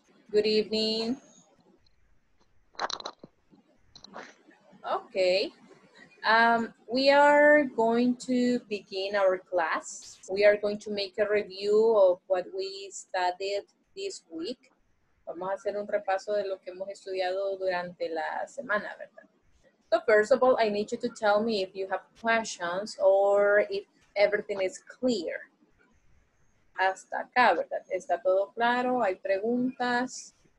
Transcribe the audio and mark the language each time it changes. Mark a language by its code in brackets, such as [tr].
[en] Good evening. Okay. We are going to begin our class. We are going to make a review of what we studied this week. [es] Vamos a hacer un repaso de lo que hemos estudiado durante la semana, ¿verdad? [en] So first of all, I need you to tell me if you have questions or if everything is clear. [es] Hasta acá, ¿verdad? ¿Está todo claro? ¿Hay preguntas?